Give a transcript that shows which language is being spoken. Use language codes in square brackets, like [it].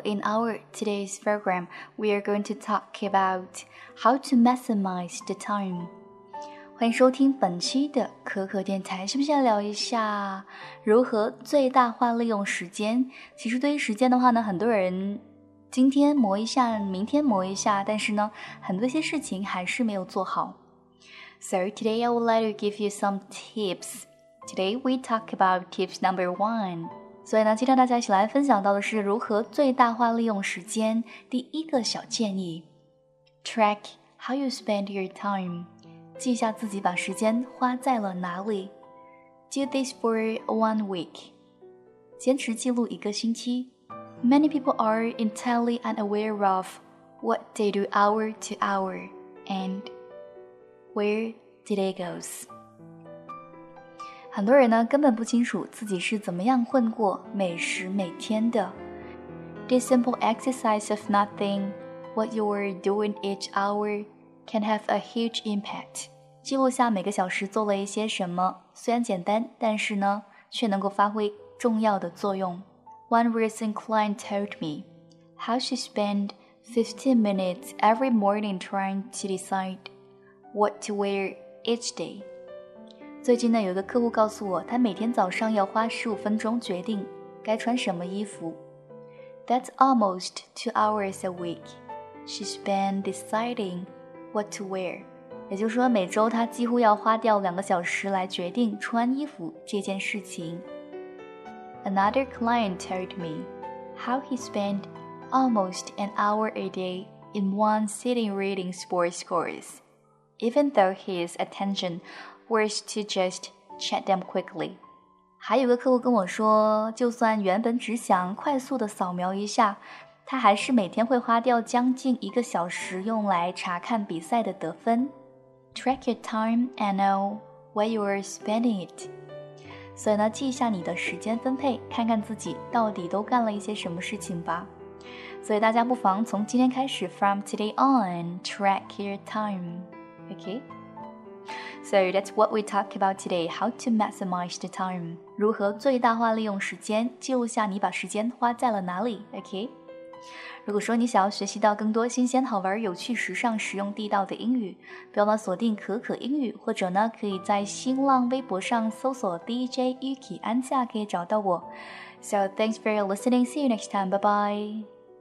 [en] In our today's program, we are going to talk about how to maximize the time. [zh] 欢迎收听本期的可可电台，是不是要聊一下如何最大化利用时间？其实对于时间的话呢，很多人今天磨一下，明天磨一下，但是呢，很多些事情还是没有做好。 [en] So today I would like to give you some tips. Today we talk about tips number one. [zh] 所以呢，今天大家一起来分享到的是如何最大化利用时间第一个小建议。 [en] Track how you spend your time. [zh] 记下自己把时间花在了哪里。 [en] Do this for 1 week. [zh] 坚持记录一个星期。 [en] Many people are entirely unaware of what they do hour to hour and where today goes. [zh] 很多人呢根本不清楚自己是怎么样混过每时每天的。 [en] This simple exercise of nothing, what you are doing each hour, can have a huge impact. [zh] 记录下每个小时做了一些什么，虽然简单，但是呢，却能够发挥重要的作用。 [en] One recent client told me how she spent 15 minutes every morning trying to decide what to wear each day. [zh] 最近呢，有个客户告诉我，他每天早上要花15分钟决定该穿什么衣服。 [en] That's almost 2 hours a week. She spent deciding what to wear. [zh] 也就是说，每周他几乎要花掉2小时来决定穿衣服这件事情。 [en] Another client told me how he spent almost an hour a day in one sitting reading sports scores. Even though his attention... Words to just check them quickly. [zh] 还有个客户跟我说，就算原本只想快速的扫描一下，他还是每天会花掉将近一个小时用来查看比赛的得分。 [en] Track your time and know where you are spending it. [zh] 所以呢，记一下你的时间分配，看看自己到底都干了一些什么事情吧。所以大家不妨从今天开始 ， [en] from today on, track your time. Okay. So that's what we talk about today, how to maximize the time. [zh] 如何最大化利用时间，记录下你把时间花在了哪里 ,okay? 如果说你想要学习到更多新鲜、好玩、有趣、时尚、实用、地道的英语，不要忘锁定可可英语，或者呢，可以在新浪微博上搜索 DJ Yuki 安夏，可以找到我。 [en] So thanks for listening, see you next time, bye bye!